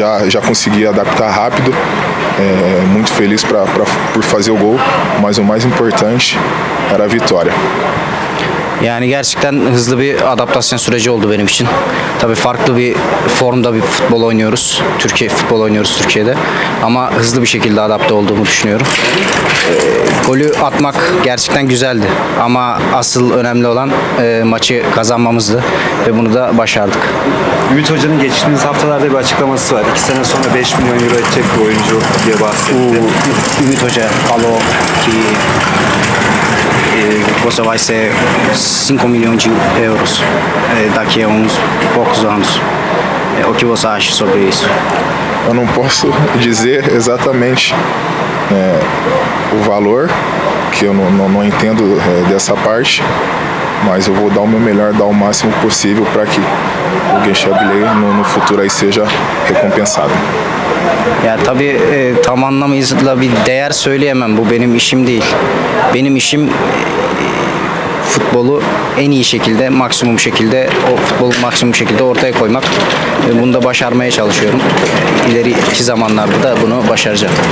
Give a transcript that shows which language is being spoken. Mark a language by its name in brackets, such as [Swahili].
[Portuguese] Já consegui adaptar rápido. Muito feliz por fazer o gol. Mas o mais importante era a vitória. [Turkish] Yani gerçekten hızlı bir adaptasyon süreci oldu benim için. Tabii farklı bir formda bir futbol oynuyoruz. Türkiye futbol oynuyoruz Türkiye'de. Ama hızlı bir şekilde adapte olduğumu düşünüyorum. Golü atmak gerçekten güzeldi. Ama asıl önemli olan maçı kazanmamızdı. Ve bunu da başardık. Ümit Hoca'nın geçtiğimiz haftalarda bir açıklaması var. 2 sene sonra 5 milyon euro edecek bir oyuncu diye bahsetti. Ümit Hoca, alo ki... [Portuguese] Você vai ser 5 milhões de euros daqui a uns poucos anos. O que você acha sobre isso? Eu não posso dizer exatamente o valor, que eu não entendo dessa parte, mas eu vou dar o meu melhor, dar o máximo possível para que o Gençabilei no futuro aí seja recompensado. [Turkish] Ya tabii tam anlamıyla bir değer söyleyemem. Bu benim işim değil. Benim işim futbolu en iyi şekilde, maksimum şekilde, o futbolu maksimum şekilde ortaya koymak. Bunu da başarmaya çalışıyorum. İleriki zamanlarda da bunu başaracağım.